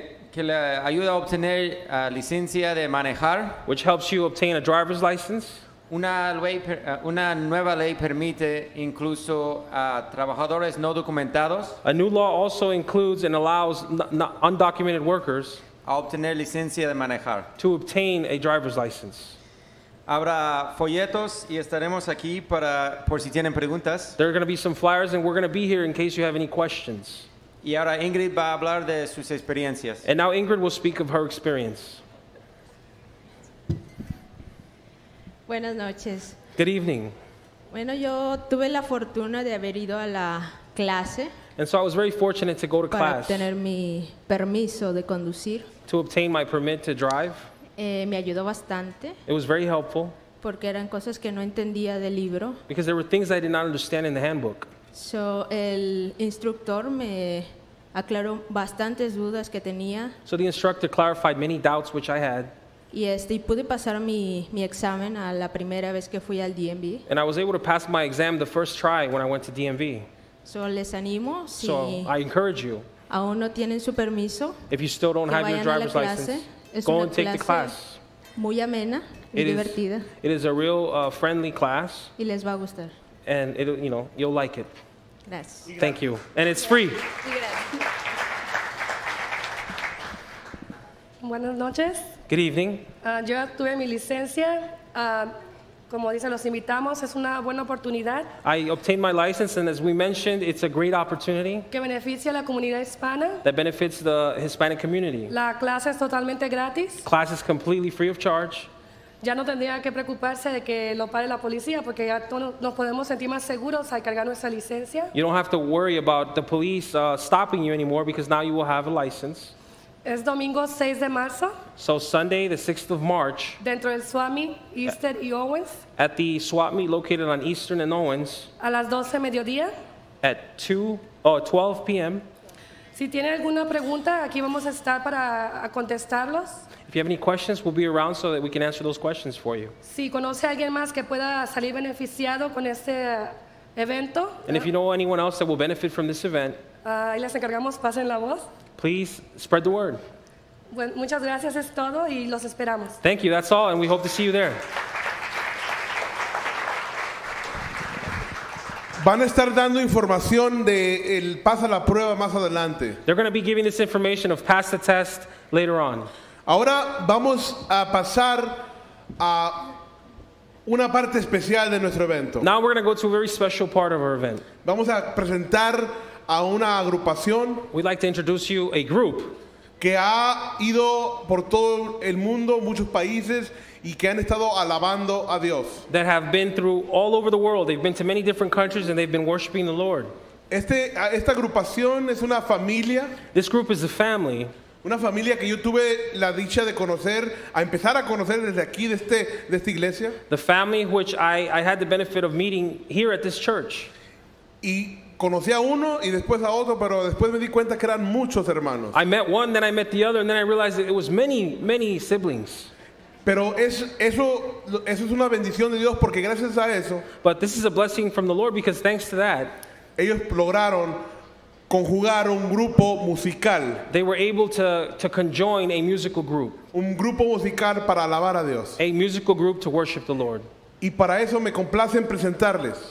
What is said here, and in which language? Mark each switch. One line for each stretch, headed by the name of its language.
Spanish: Que le ayuda a obtener licencia de manejar.
English: Which helps you obtain a driver's license.
Spanish: Una nueva ley permite incluso a trabajadores no documentados.
English: A new law also includes and allows undocumented workers
Spanish: a obtener licencia de manejar.
English: To obtain a driver's license.
Spanish: Habrá folletos y estaremos aquí para por si tienen preguntas.
English: There are going to be some flyers and we're going to be here in case you have any questions.
Spanish: Y ahora Ingrid va a hablar de sus experiencias.
English: And now Ingrid will speak of her experience.
Spanish: Buenas noches.
English: Good evening.
Spanish: Bueno, yo tuve la fortuna de haber ido a la clase.
English: And so I was very fortunate to go to class.
Spanish: Para tener mi permiso de conducir.
English: To obtain my permit to drive.
Spanish: Me ayudó bastante.
English: It was very helpful.
Spanish: Porque eran cosas que no entendía del libro.
English: Because there were things I did not understand in the handbook.
Spanish: So el instructor me aclaró bastantes dudas que tenía.
English: So the instructor clarified many doubts which I had.
Spanish: Y pude pasar mi examen a la primera vez que fui al DMV.
English: And I was able to pass my exam the first try when I went to DMV.
Spanish: So les animo.
English: So I encourage you.
Spanish: Aún no tienen su permiso.
English: If you still don't have your driver's license. Go and take the class.
Spanish: Muy amena, muy divertida.
English: It is a real friendly class.
Spanish: Y les va a gustar.
English: And it, you know, you'll like it.
Spanish: Gracias.
English: Thank you. And it's free.
Spanish: Buenas noches.
English: Good evening.
Spanish: Yo tuve mi licencia. Como dicen, los invitamos. Es una buena oportunidad.
English: I obtained my license, and as we mentioned, it's a great opportunity.
Spanish: Que beneficia a la comunidad hispana.
English: That benefits the Hispanic community.
Spanish: La clase es totalmente gratis.
English: Class is completely free of charge.
Spanish: Ya no tendría que preocuparse de que lo pare la policía, porque ya todos nos podemos sentir más seguros al cargar nuestra licencia.
English: You don't have to worry about the police stopping you anymore, because now you will have a license.
Spanish: Es domingo 6 de marzo.
English: So Sunday, the 6th of March.
Spanish: Dentro del swap meet, Eastern y Owens.
English: At the swap meet located on Eastern and Owens.
Spanish: A las 12 mediodía.
English: At 12 p.m.
Spanish: Si tiene alguna pregunta, aquí vamos a estar para contestarlos.
English: If you have any questions, we'll be around so that we can answer those questions for you.
Spanish: Si conoce a alguien más que pueda salir beneficiado con este evento.
English: And if you know anyone else that will benefit from this event.
Spanish: Ahí les encargamos, pasen la voz.
English: Please spread the word.
Spanish: Bueno, muchas gracias, es todo y los esperamos.
English: Thank you, that's all, and we hope to see you there.
Spanish: Van a estar dando información de el pasa la prueba más adelante.
English: They're going to be giving this information of pass the test later on.
Spanish: Ahora vamos a pasar a una parte especial de nuestro evento.
English: Now we're going to go to a very special part of our event.
Spanish: Vamos a presentar a una agrupación.
English: We'd like to introduce you a group
Spanish: que ha ido por todo el mundo, muchos países, y que han estado alabando a Dios.
English: That have been through all over the world. They've been to many different countries and they've been worshiping the Lord.
Spanish: Esta agrupación es una familia.
English: This group is a family.
Spanish: Una familia que yo tuve la dicha de conocer, a empezar a conocer desde aquí, de esta iglesia.
English: The family which I had the benefit of meeting here at this church.
Spanish: Y conocí a uno y después a otro, pero después me di cuenta que eran muchos hermanos.
English: I met one, then I met the other, and then I realized that it was many, many siblings.
Spanish: Pero eso es una bendición de Dios, porque gracias a eso,
English: but this is a blessing from the Lord, because thanks to that,
Spanish: ellos lograron conjugar un grupo musical.
English: They were able to conjoin a musical group.
Spanish: Un grupo musical para alabar a Dios.
English: A musical group to worship the Lord.
Spanish: Y para eso me complace en presentarles.